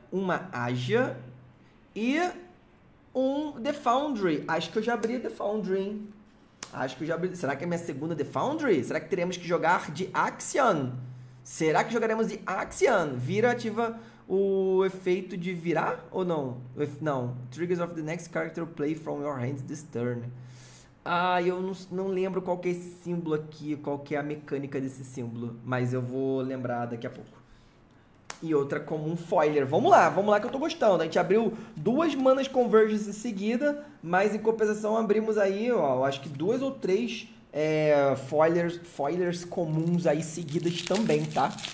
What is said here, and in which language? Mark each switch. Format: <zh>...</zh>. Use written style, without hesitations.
<pt>Uma Aja. E um The Foundry. Acho que eu já abri The Foundry, hein? Acho que eu já abri. Será que é minha segunda The Foundry? Será que teremos que jogar de Axion? Será que jogaremos de Axion? Vira, ativa o efeito de virar ou não? Não.</pt> <en>Triggers of the next character play from your hand this turn.</en> <pt>Ah, eu não lembro qual que é esse símbolo aqui, qual que é a mecânica desse símbolo. Mas eu vou lembrar daqui a pouco. E outra como um foiler. Vamos lá que eu tô gostando. A gente abriu duas manas convergence em seguida, mas em compensação abrimos aí, ó, acho que duas ou três foilers comuns aí seguidas também, tá?</pt>